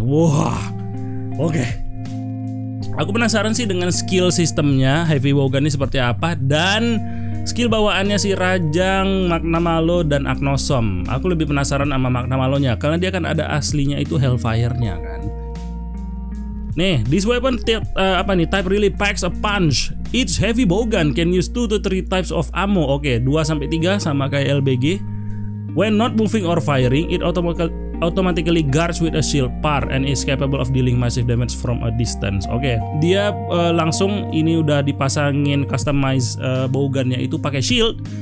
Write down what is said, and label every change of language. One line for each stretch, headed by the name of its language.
Indonesian: Wah, wow. Oke. Aku penasaran sih dengan skill sistemnya heavy bowgun ini seperti apa dan skill bawaannya si Rajang, Magna Malo, dan Agnosom. Aku lebih penasaran sama Magna Malonya karena dia kan ada aslinya itu Hellfire-nya kan.
English: Nih, this weapon type really packs a punch. Each heavy bowgun can use 2 to 3 types of ammo.
Indonesian: Oke, 2 sampai 3 sama kayak LBG.
English: When not moving or firing, it automatically automatically guards with a shield par and is capable of dealing massive damage from a distance. Oke, okay.
Indonesian: Dia langsung ini udah dipasangin customize bowgunnya itu pakai shield.